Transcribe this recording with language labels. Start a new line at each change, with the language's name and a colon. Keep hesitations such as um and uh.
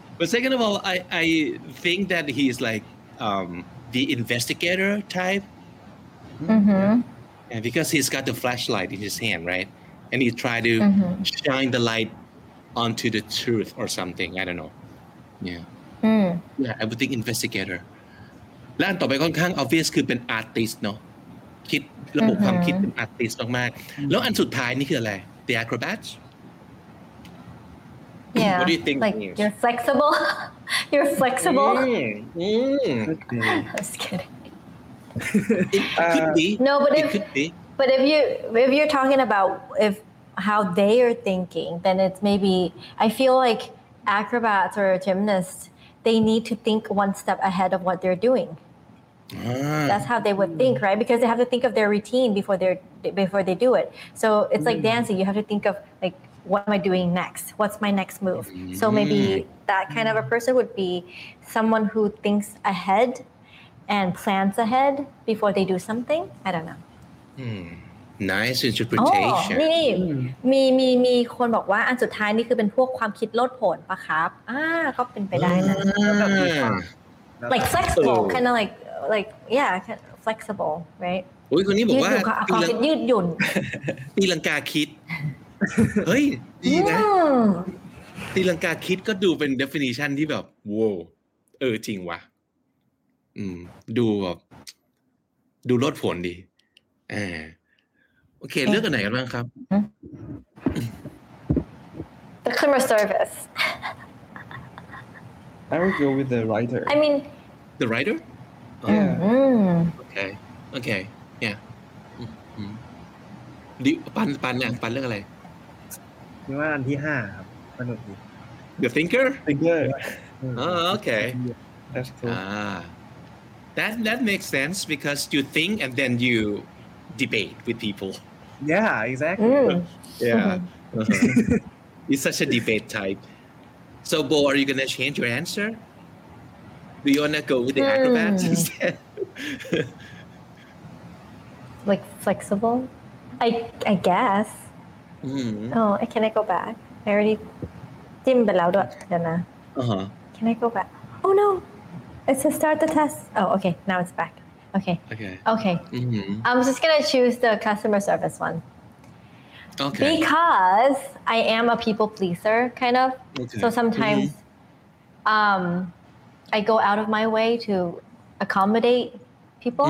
English: But second of all, I I think that he's like um, the investigator type, hmm and because he's got the flashlight in his hand, right? And he try to Mhm. shine the light onto the truth or something. I don't know. Yeah. Mm. yeah I would think investigator
Thai: และอันต่อไปค่อนข้าง obvious คือเป็น artist เนอะคิดระบบความคิดเป็น artist มากๆ แล้วอันสุดท้ายนี่คืออะไร
English: the acrobats Yeah. What do you think Like it is? you're flexible. you're flexible. อืมอืม Okay. I'm just kidding. it could be No, but it if- could be But if you if you're talking about if how they are thinking, then it's maybe I feel like acrobats or gymnasts they need to think one step ahead of what they're doing. อ่า That's how they would think, right? Because they have to think of their routine before they're before they do it. So it's like dancing. You have to think of like what am I doing next? What's my next move? So maybe that kind of a person would be someone who thinks ahead and plans ahead before they do something. I don't know. อืม nice อ๋อ interpretation
Thai: นี่นี่มีมีมีคนบอกว่าอันสุดท้ายนี่คือเป็นพวกความคิดลดผลปะครับ อ่า ก็เป็นไปได้นะ อ่า
English: like flexible เออ kind of like like yeah kind of flexible right
Thai: โอ้ยคนนี้บอ ยื ก ดห ว่า ยุ่นค่ะความ ตีลัง คิดยืดหยุ่น ตีลังกาคิด เฮ้ย ดีนะ อืม ตีลังกาคิดก็ดูเป็น definition ที่แบบโว้วเออจริงว่ะ อืม ดูแบบดูลดผลดีอ่าโอเค เลือกอันไหนกันบ้างครับ
English: the customer service I will go with the writer I mean The writer อ๋อ Yeah. อืม okay okay yeah
Thai: อืมอืมดิปันปันเนี่ยปันเรื่องอะไร คิดว่าอันที่ห้าครับสนุกดี
English: The thinker thinker อืม oh okay that's cool ah that that makes sense because you think and then you debate with people Yeah, exactly. อืม Yeah. Uh-huh. it's such a debate type. So, Bo, are you going to change your answer? Do you want to go with the acrobats Hmm. instead? like flexible I I guess mm. oh I can I go back I already
Thai: จิ้มไปแล้วด้วยเดี๋ยวนะ
English: Uh-huh. Can I go back? Oh no, it says start the test. Oh, okay, now it's back. Okay, Okay. okay. hmm I'm just gonna choose the customer service one Okay. because I am a people pleaser, kind of. Okay. So sometimes, um, I go out of my way to accommodate people,